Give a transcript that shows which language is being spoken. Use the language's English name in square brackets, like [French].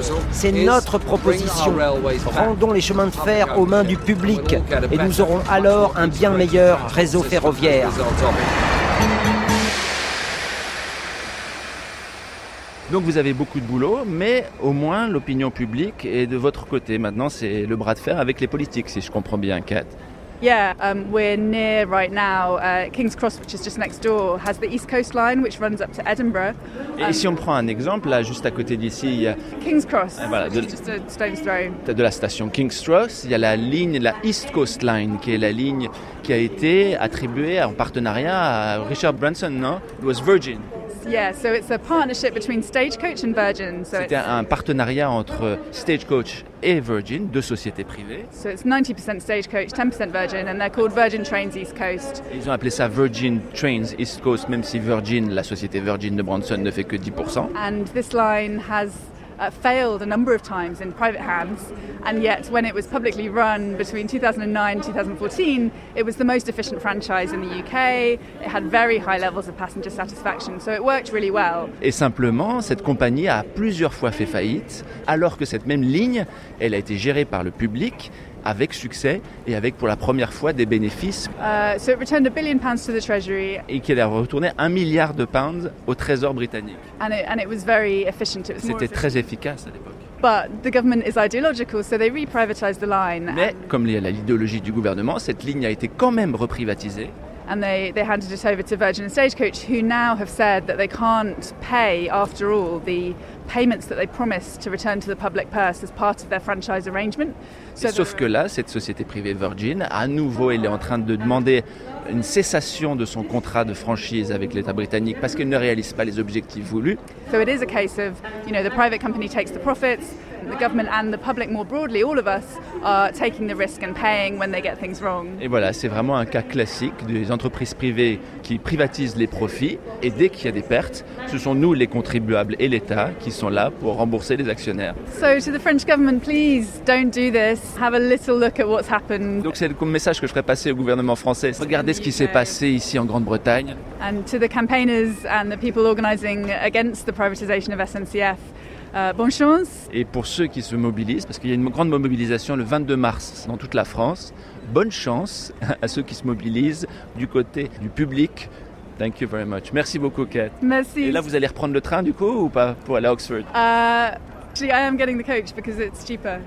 [French] C'est notre proposition. Rendons les chemins de fer aux mains du public et nous aurons alors un bien meilleur réseau ferroviaire. Donc vous avez beaucoup de boulot, mais au moins l'opinion publique est de votre côté. Maintenant, c'est le bras de fer avec les politiques, si je comprends bien, Kat. [English] Yeah, we're near right now. King's Cross, which is just next door, has the East Coast line, which runs up to Edinburgh. [French] Et si on prend un exemple, là, juste à côté d'ici, il y a... [English] King's Cross, [French] voilà, de, [English] which is just a stone's throw. [French] De la station King's Cross, il y a la ligne, la East Coast line, qui est la ligne qui a été attribuée en partenariat à Richard Branson, non? [English] It was Virgin. Yeah, so it's a partnership between Stagecoach and Virgin. So [French] c'était [English] it's... [French] un partenariat entre Stagecoach et Virgin, deux sociétés privées. [English] So it's 90% Stagecoach, 10% Virgin, and they're called Virgin Trains East Coast. [French] Ils ont appelé ça Virgin Trains East Coast, même si Virgin, la société Virgin de Branson, ne fait que 10%. [English] And this line has failed a number of times in private hands, and yet when it was publicly run between 2009 and 2014, it was the most efficient franchise in the UK. It had very high levels of passenger satisfaction, so it worked really well. [French] Et simplement, cette compagnie a plusieurs fois fait faillite, alors que cette même ligne, elle a été gérée par le public avec succès et avec pour la première fois des bénéfices. [English] So it returned £1 billion to the Treasury. [French] Et qu'elle a retourné £1 milliard au Trésor britannique. [English] And it was very efficient. It was [French] C'était [English] efficient. [French] Très efficace à l'époque. [English] But the government is ideological, so they reprivatized the line. [French] Mais comme il y a l'idéologie du gouvernement, cette ligne a été quand même reprivatisée. [English] And they handed it over to Virgin and Stagecoach, who now have said that they can't pay, after all, the payments that they promised to return to the public purse as part of their franchise arrangement. So [French] sauf que là, cette société privée Virgin, à nouveau, elle est en train de demander une cessation de son contrat de franchise avec l'État britannique parce qu'elle ne réalise pas les objectifs voulus. [English] So it is a case of, you know, the private company takes the profits, the government and the public more broadly, all of us, are taking the risk and paying when they get things wrong. [French] Et voilà, c'est vraiment un cas classique des entreprises privées qui privatisent les profits et dès qu'il y a des pertes, ce sont nous, les contribuables et l'État, qui sont là pour rembourser les actionnaires. [English] So to the French government, please don't do this. Have a little look at what's happened. [French] Donc c'est le message que je ferai passer au gouvernement français. Regardez ce qui s'est passé ici en Grande-Bretagne. [English] And to the campaigners and the people organizing against the privatization of SNCF, [French] bonne chance. Et pour ceux qui se mobilisent, parce qu'il y a une grande mobilisation le 22 mars dans toute la France, bonne chance à ceux qui se mobilisent du côté du public. [English] Thank you very much. [French] Merci beaucoup, [English] Kate. [French] Merci. Et là, vous allez reprendre le train, du coup, ou pas, pour aller à Oxford? [English] I am getting the coach because it's cheaper.